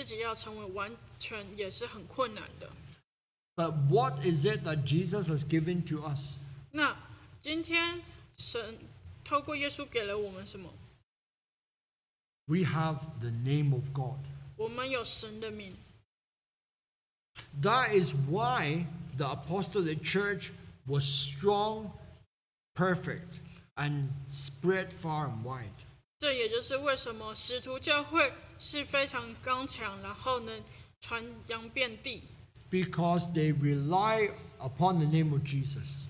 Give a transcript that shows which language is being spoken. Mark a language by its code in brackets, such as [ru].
[zh] 因为我们自己本身也会觉得我们自己要成为完全也是很困难的。 [en] But what is it that Jesus has given to us? [zh] 那今天神透过耶稣给了我们什么? [en] We have the name of God. [zh] 我们有神的名。 [en] That is why the apostolic church was strong, perfect, and spread far and wide. [zh] 这也就是为什么使徒教会是非常刚强，然后能传扬遍地。 [en] Because they rely upon the name of Jesus.